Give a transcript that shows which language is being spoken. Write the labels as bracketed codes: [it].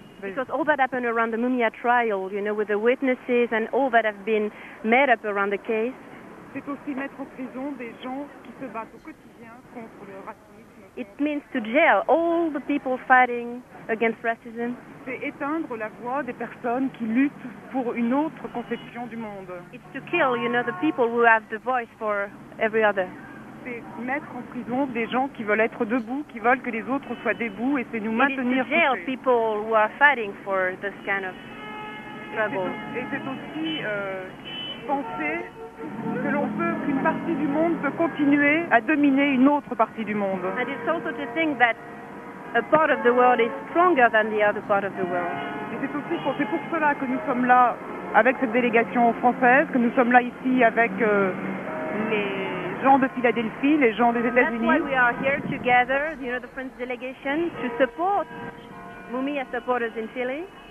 [en] Because all that happened around the Mumia trial, you know, with the witnesses and all that have been made up around the case. [fr] C'est aussi mettre en prison des gens qui se battent au quotidien contre le racisme. [en] It means to jail all the people fighting against racism. [fr] C'est éteindre la voix des personnes qui luttent pour une autre conception du monde. [en] It's to kill, you know, the people who have the voice for every other. [fr] c'est mettre en prison des gens qui veulent être debout, qui veulent que les autres soient debout, et c'est nous maintenir couchés. [en] It is to jail people who are fighting for this kind of struggle. [fr] Et c'est aussi penser que l'on peut qu'une partie du monde peut continuer à dominer une autre partie du monde. [en] And it's also to think that a part of the world is stronger than the other part of the world. [fr] Et c'est aussi pour, c'est pour cela que nous sommes là avec cette délégation française, que nous sommes là ici avec les gens de Philadelphie, les gens des États-Unis. [en] That's why we are here together, you know, the French delegation, to support Mumia supporters in Philly.